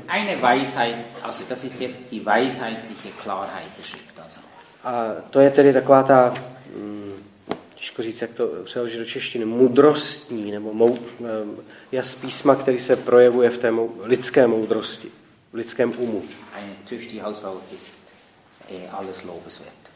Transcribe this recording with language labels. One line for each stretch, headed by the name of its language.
German: Eine Weisheit, also das ist jetzt die weisheitliche Klarheit der Schrift.
Czech: A to je tedy taková ta, těžko říct, jak to přeložit do češtiny, mudrostní, nebo jas písma, který se projevuje v té lidské moudrosti, v lidském umu.
German: Eine tüchtige Hausfrau ist alles lobenswert.